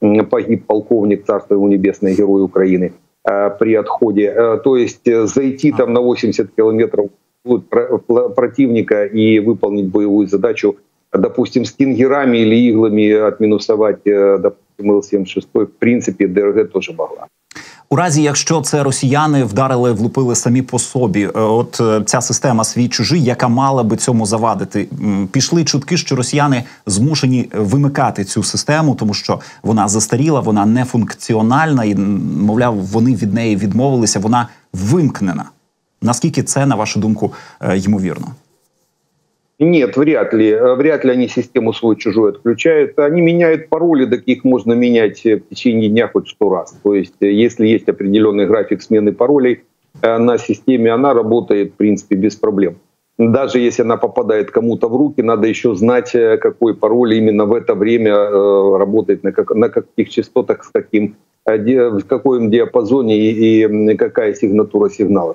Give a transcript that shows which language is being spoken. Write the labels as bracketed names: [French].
[Russian] Погиб полковник, царство ему небесное, герой Украины, при отходе. То есть зайти там на 80 километров противника и выполнить боевую задачу, допустим, стингерами или иглами отминусовать, допустим, Ил-76, в принципе, ДРГ тоже могла. [Ukrainian] У разі, якщо це росіяни вдарили, влупили самі по собі, от ця система «Свій чужий», яка мала би цьому завадити? Пішли чутки, що росіяни змушені вимикати цю систему, тому що вона застаріла, вона не функціональна, і, мовляв, вони від неї відмовилися, вона вимкнена. Наскільки це, на вашу думку, ймовірно? [Russian] Нет, вряд ли. Вряд ли они систему свой-чужой отключают. Они меняют пароли, так их можно менять в течение дня хоть 100 раз. То есть, если есть определенный график смены паролей на системе, она работает, в принципе, без проблем. Даже если она попадает кому-то в руки, надо еще знать, какой пароль именно в это время работает, на каких частотах, в каком диапазоне и какая сигнатура сигнала.